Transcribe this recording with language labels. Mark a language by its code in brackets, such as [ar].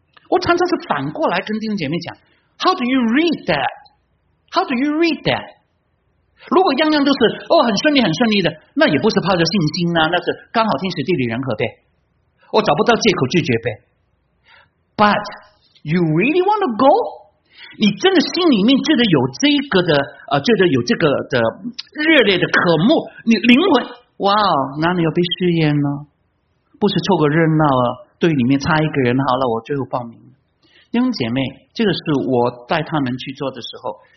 [zh] 我常常是反过来跟弟兄姐妹讲 ， [en] How do you read that？ How do you read that？ [zh] 如果样样都是哦，很顺利很顺利的，那也不是抱着信心啊，那是刚好天时地利人和呗，我找不到借口拒绝呗。 [en] But you really want to go？ [zh] 你真的心里面觉得有这个的觉得有这个的热烈的渴慕，你灵魂哇哦，哪里要被试验呢？不是凑个热闹啊，队里面差一个人好了，我最后报名。弟兄姐妹，这个是我带他们去做的时候。